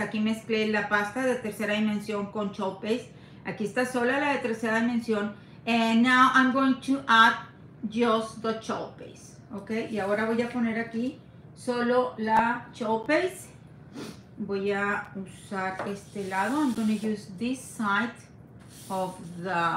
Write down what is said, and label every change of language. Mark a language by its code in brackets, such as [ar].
[es] Aquí mezclé la pasta de tercera dimensión con chalk paste. Aquí está sola la de tercera dimensión. [en] And now I'm going to add just the chalk paste. [es] Okay, y ahora voy a poner aquí solo la chalk paste. Voy a usar este lado. [en] I'm going to use this side of the...